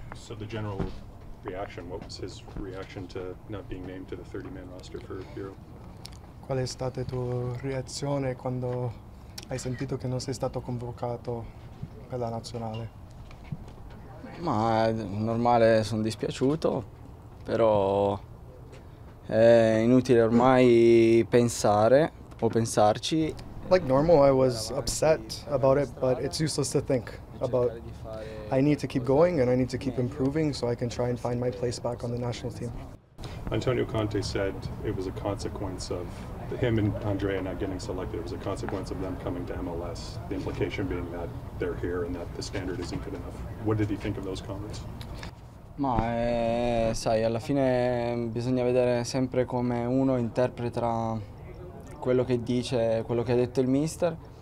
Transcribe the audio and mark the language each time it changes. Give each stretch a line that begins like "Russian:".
English: So the general reaction, what was his reaction to not being named to the 30-man roster for Bureau?
Italian: Qual è stata tua reazione quando hai sentito che non sei stato convocato per la nazionale? Ma è normale, sono dispiaciuto, però è inutile ormai pensare o pensarci.
English: Like normal, I was upset about it, but it's useless to think about. I need to keep going and I need to keep improving so I can try and find my place back on the national team. Antonio Conte said it was a consequence of him and Andrea not getting selected. It was a consequence of them coming to MLS, the implication being that they're here and that the standard isn't good enough. What did he think of those comments?
Italian: Ma sai, alla fine bisogna vedere sempre come uno interpreta quello che dice, quello che ha detto il mister.